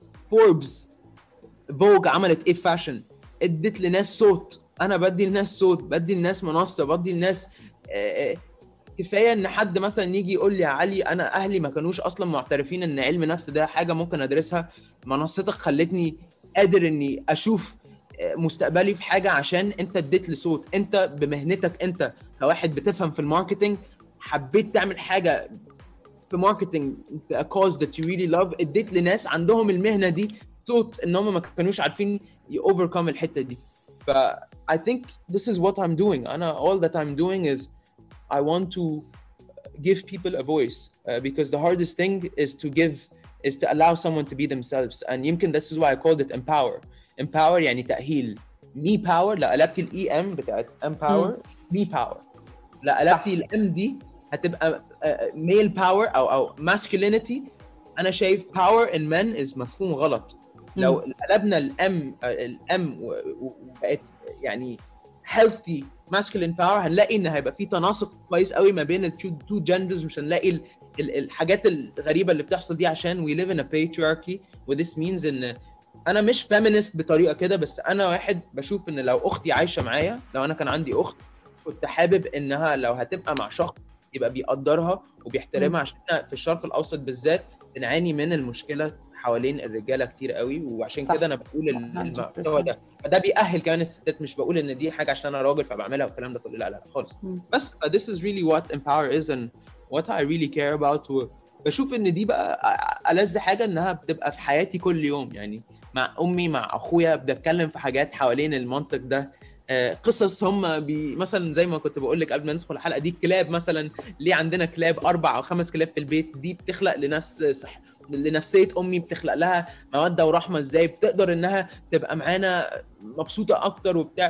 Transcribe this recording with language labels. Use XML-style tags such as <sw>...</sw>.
<ar>فوربس فوغ عملت ايه فاشن، ادت لناس صوت، انا بدي الناس صوت، بدي الناس منصة، بدي الناس كفاية ان حد مثلا يجي يقول لي يا علي انا اهلي ما كانوش اصلا معترفين ان علم نفس ده حاجة ممكن ادرسها، منصتك خلتني قادر اني اشوف مستقبلي في حاجة عشان انت اديت لي صوت. انت بمهنتك انت كواحد بتفهم في الماركتينج حبيت تعمل حاجة في ماركتينج</ar> <en>a cause that you really love،</en> <ar>اديت لناس عندهم المهنة دي صوت ان هم ما كانوش عارفين يوفركم الحتة دي.</ar> <en>ف I think this is what I'm doing. انا all that I'm doing is I want to give people a voice because the hardest thing is to give is to allow someone to be themselves. And</en> <ar>يمكن</ar> <en>this is why I called it empower.</en> <ar>Empower يعني تأهيل.</ar> <en>Me power</en> <ar>لا قلبت ال EM بتاعت empower.</ar> <en>Me power</en> <ar>لا قلبت ال</ar> <en>MD</en> <ar>هتبقى</ar> <en>male power أو masculinity.</en> <ar>أنا شايف</ar> <en>power in men is</en> <ar>مفهوم غلط. لو قلبنا ال M وبقت يعني</ar> <en>healthy masculine power</en> <ar>هنلاقي إن هيبقى فيه تناسق كويس قوي ما بين ال</ar> <en>two genders،</en> <ar>مش هنلاقي الحاجات الغريبة اللي بتحصل دي عشان</ar> <en>we live in a patriarchy.</en> <ar>و</ar> <en>this means</en> <ar>إن أنا مش feminist بطريقة كده، بس أنا واحد بشوف إن لو أختي عايشة معايا، لو أنا كان عندي أخت كنت حابب إنها لو هتبقى مع شخص يبقى بيقدرها وبيحترمها، عشان في الشرق الأوسط بالذات بنعاني من المشكلة حوالين الرجالة كتير قوي. وعشان كده أنا بقول المحتوى ده، فده بيأهل كمان الستات، مش بقول إن دي حاجة عشان أنا راجل فبعملها والكلام ده كله، لا لا خالص. بس</ar> <en>this is really what empower is and what I really care about.</en> <ar>بشوف إن دي بقى ألذ حاجة إنها بتبقى في حياتي كل يوم، يعني مع أمي مع أخويا بتكلم في حاجات حوالين المنطق ده، قصص هم مثلا زي ما كنت بقولك قبل ما ندخل الحلقة دي، كلاب مثلا، ليه عندنا كلاب 4 أو 5 كلاب في البيت، دي بتخلق لنفسية أمي، بتخلق لها مودة ورحمة، إزاي بتقدر إنها تبقى معانا مبسوطة أكتر وبتاع.</ar>